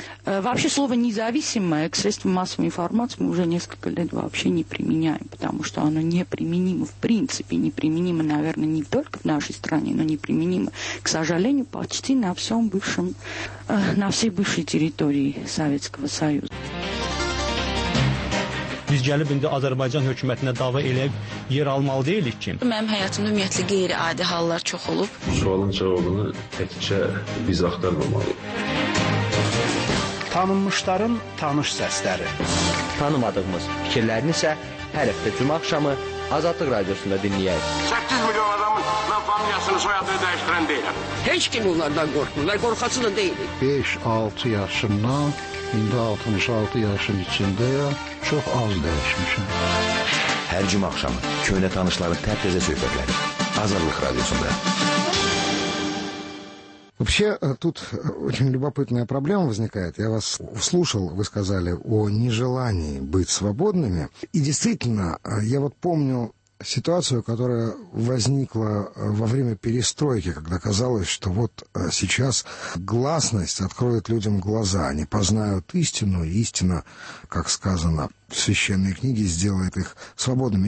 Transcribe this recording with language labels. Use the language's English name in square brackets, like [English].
[Russian] Вообще слово «независимое» к средствам массовой информации мы уже несколько лет вообще не применяем, потому что оно неприменимо в принципе, неприменимо, наверное, не только в нашей стране, но неприменимо, к сожалению, почти на всем бывшем, на всей бывшей территории Советского Союза. [Azerbaijani] Biz gəlib indi Azərbaycan hökumətinə dava eləyib yer almalı deyilik ki. Mənim həyatımda ümumiyyətlə qeyri-adi hallar çox olub. Bu sualın cavabını təkcə biz axtarmamalıyıq. Tanınmışların tanış səsləri. Tanımadığımız fikirlərini isə hər həftə cümə axşamı Azadlıq Radiosunda dinləyək. 8 milyon adamın familiyasını, soyadını dəyişdirən deyiləm. Heç kim onlardan qorxmur və qorxası da deyilik. 5-6 yaşından... İndi 66 yaşın içində çox az dəyişmişəm. Hər cümə axşamı köhnə tanışları tərtəzə söhbətləri. Azadlıq Radiosunda. [Russian] Вообще, тут очень любопытная проблема возникает. Я вас услышал, вы сказали о нежелании быть свободными. И действительно, я вот помню ситуацию, которая возникла во время перестройки, когда казалось, что вот сейчас гласность откроет людям глаза, они познают истину, и истина, как сказано в священной книге, сделает их свободными.